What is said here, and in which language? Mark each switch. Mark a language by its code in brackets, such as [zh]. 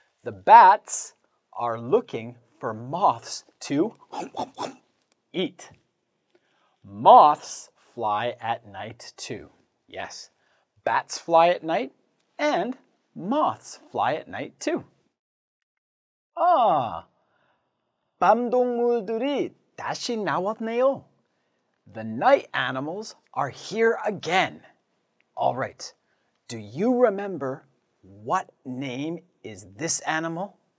[en] The bats are looking for moths to eat. Moths fly at night too. Yes. Bats fly at night and moths fly at night too. Ah. [ko] 밤동물들이 다시 나왔네요. [en] The night animals are here again. All right. Do you remember what name is this animal?